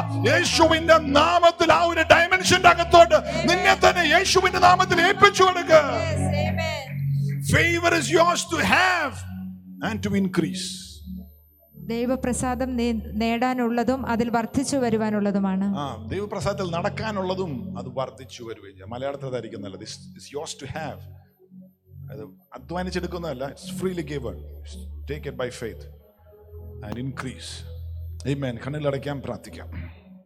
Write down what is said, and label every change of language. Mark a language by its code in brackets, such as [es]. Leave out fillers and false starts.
[ml] യേശുവിന്റെ നാമത്തിൽ ആ ഒരു ഡൈമെൻഷന്റെ അകത്തോട്ട് നിന്നെ തന്നെ യേശുവിന്റെ നാമത്തിൽ ഏൽപ്പിച്ചു കൊടുക്ക. [en] Favor is yours to have and to increase. [ml] ദൈവ പ്രസാദം നേടാനുള്ളതും അതിൽ വർദ്ധിച്ചു വരുവാനുള്ളതുമാണ്. ആ ദൈവ പ്രസാദത്തിൽ നടക്കാനുള്ളതും അത് വർദ്ധിച്ചു വരുവേ. മലയാളത്തിൽ ആയിരിക്കും നല്ലത്. [en] This is yours to have. [ml] അത് അധ്വാനിച്ചെടുക്കുന്നതല്ല. [en] It's freely given. Take it by faith and increase. Amen. [ml] കണ്ണിൽ അടയ്ക്കാൻ പ്രാർത്ഥിക്കാം.